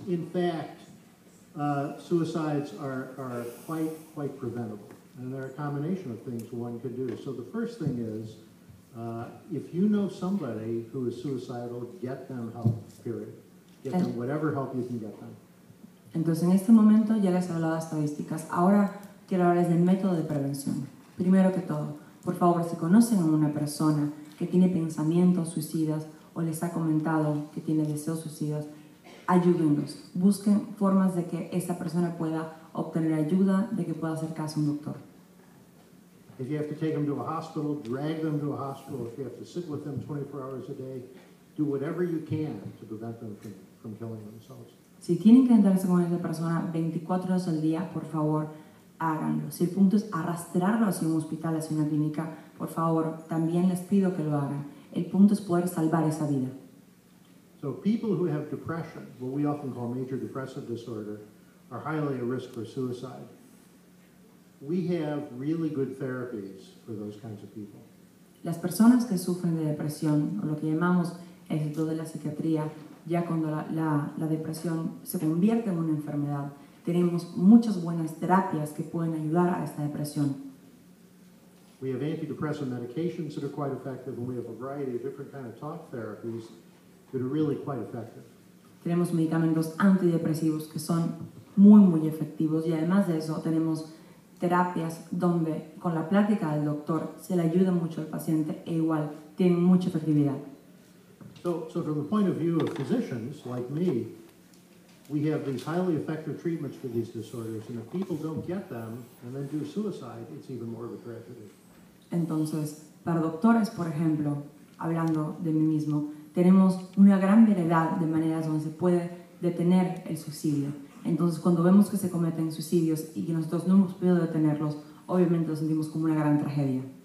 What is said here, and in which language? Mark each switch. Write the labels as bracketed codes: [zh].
[en] In fact, suicides are quite preventable, and there are a combination of things one could do. So the first thing is, if you know somebody who is suicidal, get them help, period. Get them whatever help you can get them. [es] Entonces, en este momento ya les he hablado de estadísticas. Ahora quiero hablarles del método de prevención. Primero que todo, por favor, si conocen a una persona que tiene pensamientos suicidas o les ha comentado que tiene deseos suicidas, ayúdenlos. Busquen formas de que esa persona pueda obtener ayuda, de que pueda acercarse a un doctor. [en] If you have to take them to a hospital, drag them to a hospital. If you have to sit with them 24 hours a day, do whatever you can to prevent them from killing themselves. [es] Si tienen que entrarse con esa persona 24 horas al día, por favor, háganlo. Si el punto es arrastrarlo hacia un hospital, hacia una clínica, por favor, también les pido que lo hagan. El punto es poder salvar esa vida. [en] So people who have depression, what we often call major depressive disorder, are highly at risk for suicide. We have really good therapies for those kinds of people. [es] Las personas que sufren de depresión, o lo que llamamos éxito de la psiquiatría, ya cuando la depresión se convierte en una enfermedad. Tenemos muchas buenas terapias que pueden ayudar a esta depresión. [en] We have antidepressant medications that are quite effective, and we have a variety of different kind of talk therapies that are really quite effective. [es] Tenemos medicamentos antidepresivos que son muy, muy efectivos, y además de eso tenemos terapias donde con la plática del doctor se le ayuda mucho al paciente e igual tiene mucha efectividad. [en] So from the point of view of physicians like me, we have these highly effective treatments for these disorders, and if people don't get them and then do suicide, it's even more of a tragedy. [es] Entonces, para doctores, por ejemplo, hablando de mí mismo, tenemos una gran variedad de maneras donde se puede detener el suicidio. Entonces, cuando vemos que se cometen suicidios y que nosotros no hemos podido detenerlos, obviamente lo sentimos como una gran tragedia.